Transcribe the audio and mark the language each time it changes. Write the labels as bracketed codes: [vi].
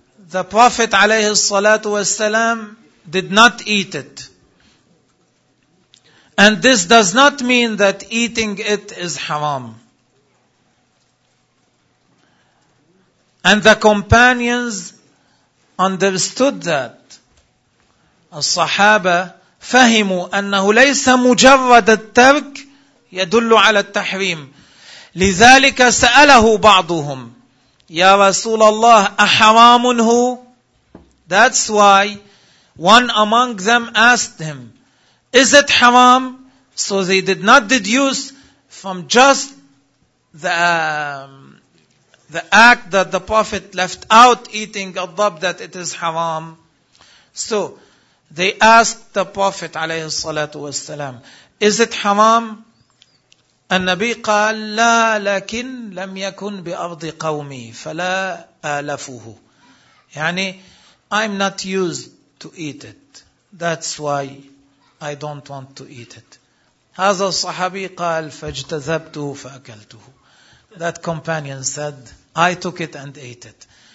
[en] The Prophet [ar] عليه الصلاة والسلام [en] did not eat it. And this does not mean that eating it is haram. And the companions understood that. [ar] الصحابة فهموا أنه ليس مجرد الترك يدل على التحريم. لذلك سأله بعضهم يا رسول الله أحرام هو؟ [en] That's why one among them asked him, is it haram? So they did not deduce from just the act that the Prophet left out eating الضب that it is haram. So they asked the Prophet [ar] عليه الصلاة والسلام, [en] is it haram? [ar] النبي قال لا لكن لم يكن بأرض قومي فلا آلفه. [en] يعني I'm not used to eat it. That's why I don't want to eat it. [ar] هذا الصحابي قال فاجتذبته فأكلته. [en] That companion said I took it and ate it.